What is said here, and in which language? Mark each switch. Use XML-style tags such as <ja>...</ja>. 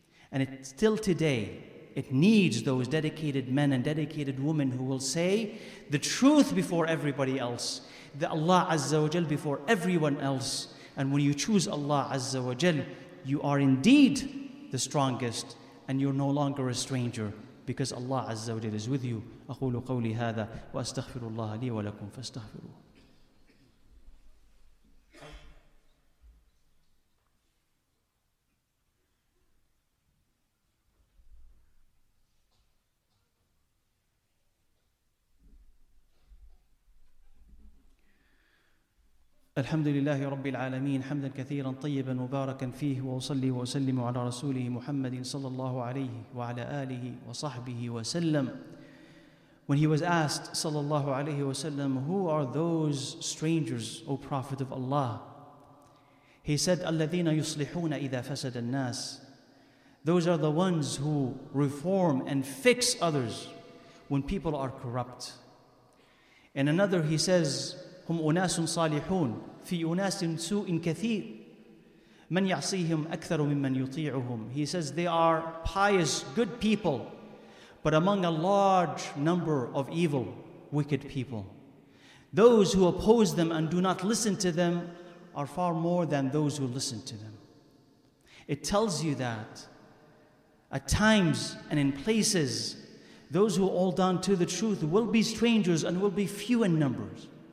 <en>And it still today, it needs those dedicated men and dedicated women who will say the truth before everybody else, the Allah Azza wa Jal before everyone else. And when you choose Allah Azza wa Jal, you are indeed the strongest and you're no longer a stranger because Allah Azza wa Jal is with you.</en> <ar>أقول قولي هذا وأستغفر الله لي ولكم فاستغفروا. الحمد لله رب العالمين حمدا كثيرا طيبا مباركا فيه وأصلي وأسلم على رسوله محمد صلى الله عليه وعلى آله وصحبه وسلم.</ar> <en>When he was asked</en> <ar>صلى الله عليه وسلم,</ar> <en>who are those strangers, O Prophet of Allah? He said,</en> <ar>الذين يصلحون إذا فسد الناس.</ar> <en>Those are the ones who reform and fix others when people are corrupt. In another he says,</en> <ar>هم أناس صالحون في أناس سوء كثير من يعصيهم أكثر ممن يطيعهم.</ar> <en>He says they are pious, good people, but among a large number of evil, wicked people. Those who oppose them and do not listen to them are far more than those who listen to them. It tells you that at times and in places, those who hold on to the truth will be strangers and will be few in numbers.</en>